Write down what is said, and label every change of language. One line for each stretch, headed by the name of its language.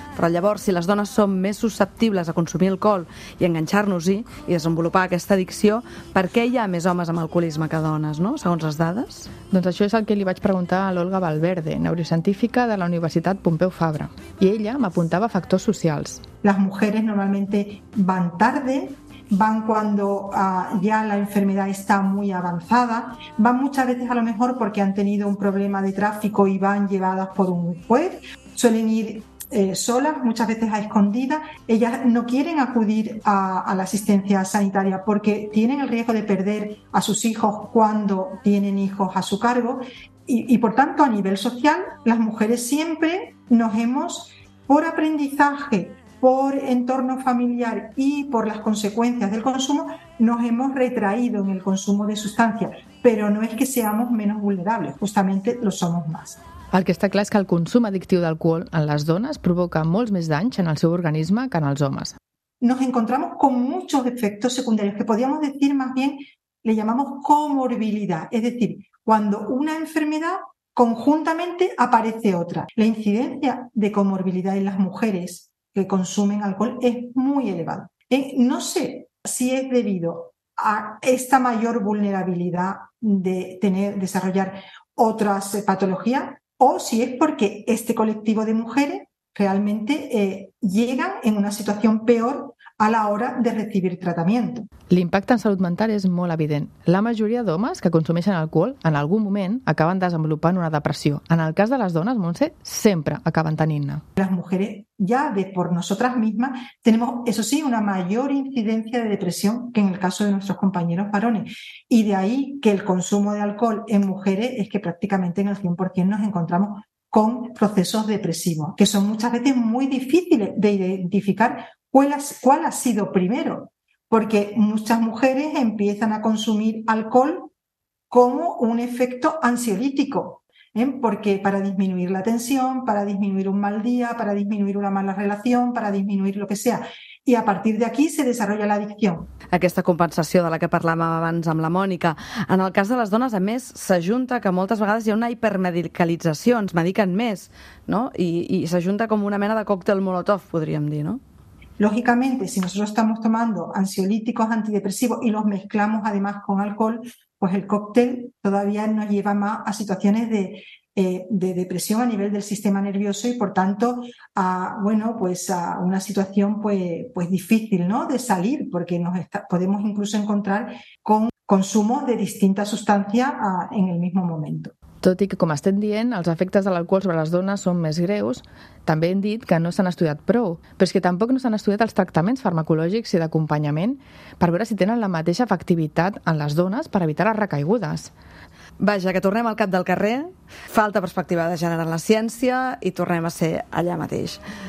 Catalan: Però llavors, si les dones som més susceptibles a consumir alcohol i enganxar-nos-hi i desenvolupar aquesta addicció, per què hi ha més homes amb alcoholisme que dones, no?, segons les dades? Doncs això és el que li vaig preguntar a l'Olga Valverde, neurocientífica de la Universitat Pompeu Fabra. I ella m'apuntava factors socials.
Spanish: Les mujeres normalmente van tarde, van cuando ya la enfermedad está muy avanzada, van muchas veces a lo mejor porque han tenido un problema de tráfico y van llevadas por un juez, suelen ir solas, muchas veces a escondidas, ellas no quieren acudir a la asistencia sanitaria porque tienen el riesgo de perder a sus hijos cuando tienen hijos a su cargo y por tanto a nivel social las mujeres siempre nos hemos, por aprendizaje, por entorno familiar y por las consecuencias del consumo, nos hemos retraído en el consumo de sustancias, pero no es que seamos menos vulnerables, justamente lo somos más.
Catalan: El que està clar és que el consum addictiu d'alcohol en les dones provoca molts més danys en el seu organisme que en els homes.
Spanish: Nos encontramos con muchos efectos secundarios que podríamos decir más bien, le llamamos comorbilidad, es decir, cuando una enfermedad conjuntamente aparece otra. La incidencia de comorbilidad en las mujeres que consumen alcohol es muy elevada. No sé si es debido a esta mayor vulnerabilidad de desarrollar otras patologías o si es porque este colectivo de mujeres realmente llega en una situación peor a la hora de recibir tratamiento.
Catalan: L'impacte en salut mental és molt evident. La majoria d'homes que consumeixen alcohol en algun moment acaben desenvolupant una depressió. En el cas de les dones, Montse, sempre acaben tenint-ne.
Spanish: Las mujeres ya de por nosotras mismas tenemos, eso sí, una mayor incidencia de depresión que en el caso de nuestros compañeros varones. Y de ahí que el consumo de alcohol en mujeres es que prácticamente en el 100% nos encontramos con procesos depresivos, que son muchas veces muy difíciles de identificar cuál ha sido primero, porque muchas mujeres empiezan a consumir alcohol como un efecto ansiolítico, ¿eh? Porque para disminuir la tensión, para disminuir un mal día, para disminuir una mala relación, para disminuir lo que sea.
Catalan: i a partir d'aquí se desenvolupa l'addicció. Aquesta compensació de la que parlàvem abans amb la Mònica. En el cas de les dones, a més, s'ajunta que moltes vegades hi ha una hipermedicalització, ens mediquen més, no? I s'ajunta com una mena de còctel molotov, podríem dir, no? Lógicamente, si nosotros estamos tomando ansiolíticos, antidepresivos y los mezclamos además con alcohol, pues el cóctel todavía nos lleva más a situaciones de depresión a nivel del sistema nervioso y por tanto a, bueno, pues a una situación pues difícil, ¿no?, de salir, porque podemos incluso encontrar con consumo de distinta sustancia en el mismo momento. Tot i que, com estem dient, els efectes de l'alcohol sobre les dones són més greus, també hem dit que no s'han estudiat prou, però és que tampoc no s'han estudiat els tractaments farmacològics i d'acompanyament per veure si tenen la mateixa efectivitat en les dones per evitar les recaigudes. Vaja, que tornem al cap del carrer, falta perspectiva de gènere en la ciència i tornem a ser allà mateix.